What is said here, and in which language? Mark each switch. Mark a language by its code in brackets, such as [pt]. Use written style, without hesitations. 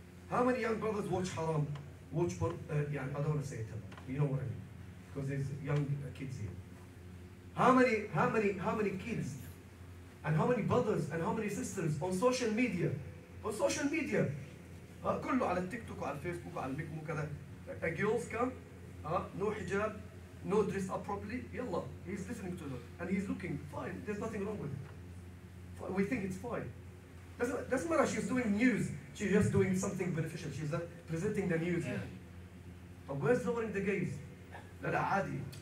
[en] How many young brothers watch haram? Watch, I don't want to say it, tamam. You know what I mean? Because there's young kids here. How many kids and how many brothers and how many sisters on social media? On social media. [ar] كله على التيك توك وعلى الفيسبوك وعلى الميك مو كذا. [en] A girl's come, no hijab, no dress up properly. يلا, he's listening to her and he's looking fine. There's nothing wrong with it. We think it's fine. Doesn't matter, she's doing news. She's just doing something beneficial. She's presenting the news. But where's lowering the gaze? [ar] لا لا عادي.